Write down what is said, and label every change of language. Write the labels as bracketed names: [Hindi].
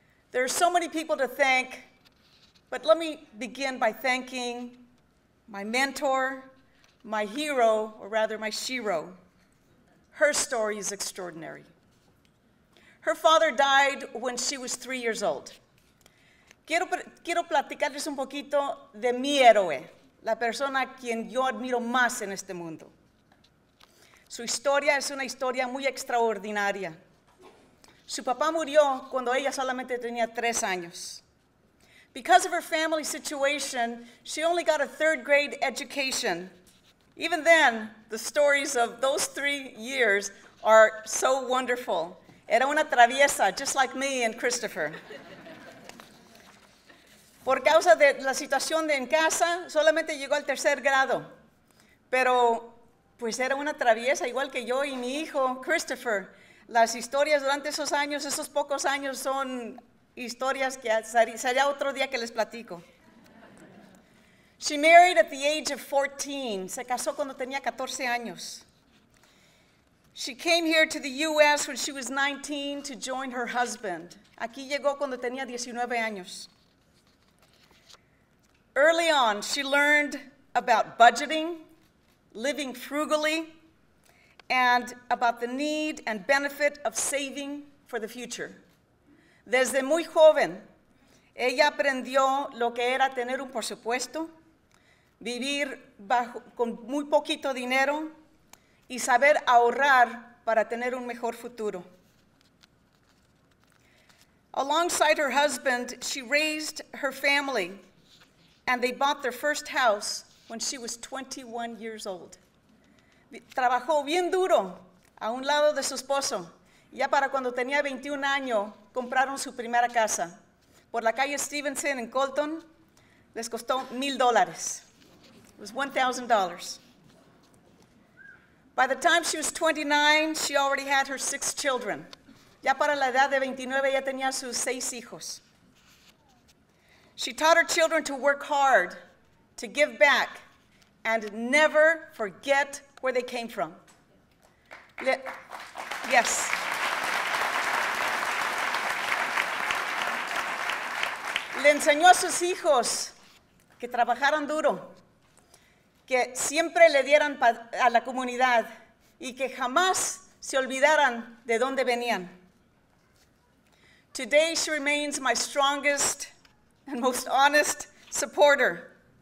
[English] There are so many people to thank, but let me begin by thanking my mentor, my hero, or rather my shero. Her story is extraordinary. Her father died when she was 3 years old. [Spanish] Quiero platicarles un poquito de mi héroe, la persona a quien yo admiro más en este mundo. Su historia es una historia muy extraordinaria. Su papá murió cuando ella solamente tenía 3 años. [English] Because of her family situation, she only got a third grade education. Even then, the stories of those 3 years are so wonderful. [Spanish] Era una traviesa, [English] just like me and Christopher. [Spanish] Por causa de la situación de en casa, solamente llegó al tercer grado. Pero, pues era una traviesa, igual que yo y mi hijo, Christopher. Las historias durante esos años, esos pocos años, son historias que será otro día que les platico. [English] She married at the age of 14. [Spanish] Se casó cuando tenía 14 años. [English] She came here to the U.S. when she was 19 to join her husband. [Spanish] Aquí llegó cuando tenía 19 años. [English] Early on, she learned about budgeting, living frugally, and about the need and benefit of saving for the future. [Spanish] Desde muy joven, ella aprendió lo que era tener un presupuesto, vivir bajo, con muy poquito dinero, y saber ahorrar para tener un mejor futuro. [English] Alongside her husband, she raised her family, and they bought their first house when she was 21 years old. [Spanish] Trabajó bien duro a un lado de su esposo. Ya para cuando tenía 21 años, compraron su primera casa. Por la calle Stevenson en Colton, les costó $1,000. [English] It was $1,000. By the time she was 29, she already had her 6 children. [Spanish] Ya para la edad de 29, ya tenía sus 6 hijos. [English] She taught her children to work hard, to give back, and never forget where they came from. Yes. [Spanish] Le enseñó a sus hijos que trabajaran duro, que siempre le dieran a la comunidad y que jamás se olvidaran de dónde venían. [English] Today she remains my strongest and most honest supporter.